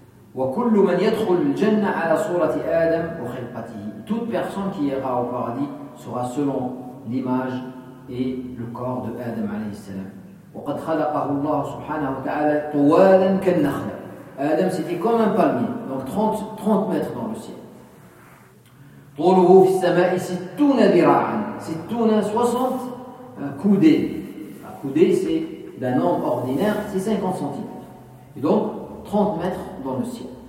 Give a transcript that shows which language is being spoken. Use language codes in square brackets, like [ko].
[ar] وكل من يدخل الجنة على صورة آدم وخلقته. [fr] Toute personne qui ira au paradis sera selon l'image et le corps de Adam alayhi salam. [ar] وقد خلقه الله سبحانه وتعالى طوالا كالنخلة. [fr] Adam c'était comme un palmier, donc 30 mètres dans le ciel. [ar] طوله في السماء 60 ذراعا. [fr] 60 coudées. Un coudé c'est d'un homme ordinaire, c'est 50 centimes. Et donc 30 mètres dans le ciel.